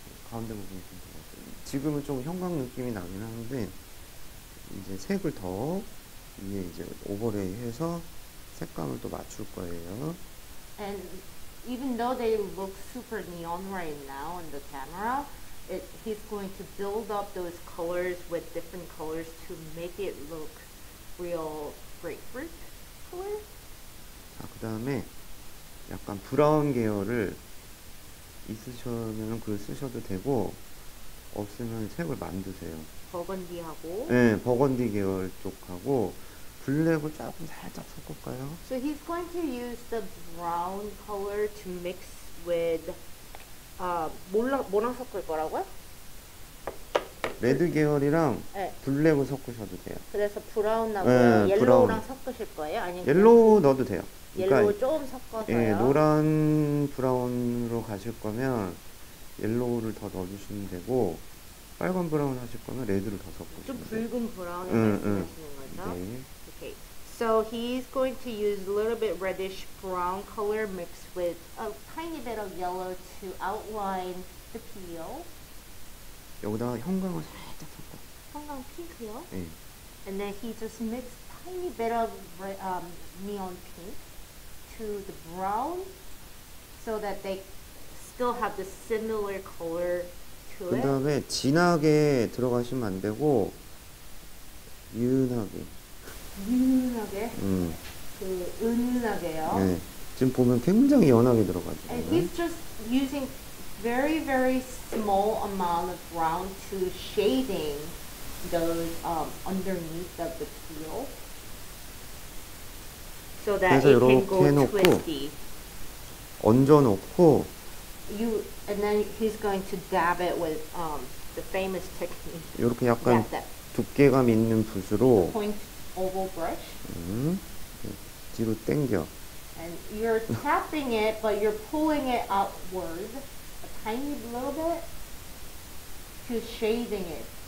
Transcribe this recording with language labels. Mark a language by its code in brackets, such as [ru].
[ko] 가운데 부분이 좀 더 같아요. 지금은 좀 형광 느낌이 나긴 하는데 이제 색을 더 위에 이제 오버레이해서 색감을 또 맞출 거예요. [en] And even though they look super neon right now in the camera, he's going to build up those colors with different colors to make it look real grapefruit color. [ko] 자, 그다음에 약간 브라운 계열을 있으시면 그걸 쓰셔도 되고 없으면 색을 만드세요. 버건디하고 네, 버건디 계열 쪽하고 블랙을 조금 살짝 섞을까요? [en] So he's going to use the brown color to mix with [ko] 뭐랑 섞을 거라고요? 레드 계열이랑 네. 블랙을 섞으셔도 돼요. 그래서 브라운하고 네, 옐로우랑 브라운. 섞으실 거예요? 아니면 옐로우 넣어도 돼요. 그러니까 옐로우 조금 섞어서요. 예, 노란 브라운으로 가실 거면 옐로우를 더 넣어주시면 되고 빨간 브라운 하실 거면 레드를 더 섞으세요. 좀 붉은 브라운을 말씀하시는 거죠? 네. [en] Okay. So he's going to use a little bit reddish brown color mixed with a tiny bit of yellow to outline the peel. [ko] 여기다가 형광을 살짝 섞어. 형광 핑크요? 예. [en] And then he just mixed tiny bit of neon pink to the brown so that they still have the similar color to it. [ko] 그 다음에 진하게 들어가시면 안 되고 유연하게. 유연하게? 은은하게요? 네. 지금 보면 굉장히 연하게 들어가죠. [en] And he's just using very, very small amount of brown to shading those underneath of the peel. So that it can go twisty. [ko] 얹어놓고 [en] and then he's going to dab it with the famous technique. [ko] 이렇게 약간 두께감 있는 붓으로 [en] the point oval brush. [ko] 뒤로 당겨. [en] And you're tapping it, but you're pulling it upward a tiny little bit to shading it.